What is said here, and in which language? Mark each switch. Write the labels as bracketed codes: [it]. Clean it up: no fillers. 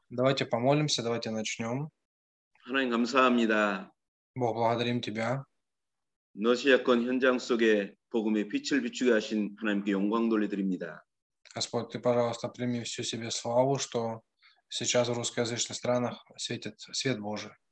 [ru] Давайте помолимся, давайте начнем. [ko] 하나님 감사합니다. [ru] Бог благодарим тебя. [ko] 러시아권 현장 속에 복음의 빛을 비추게 하신 하나님께 영광 돌려드립니다. [ru] Господь, ты, пожалуйста, прими всю себе славу, что сейчас в русскоязычных странах светит свет Божий.